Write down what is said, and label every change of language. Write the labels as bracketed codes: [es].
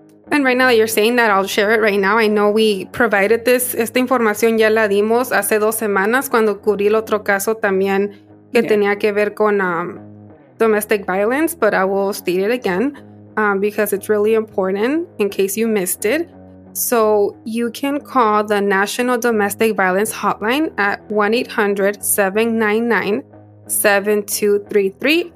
[en] And right now that you're saying that, I'll share it right now. I know we provided this. [es] Esta información ya la dimos hace 2 semanas cuando cubrí el otro caso también que yeah. tenía que ver con [en] domestic violence. But I will state it again because it's really important in case you missed it. So you can call the National Domestic Violence Hotline at 1-800-799-7233.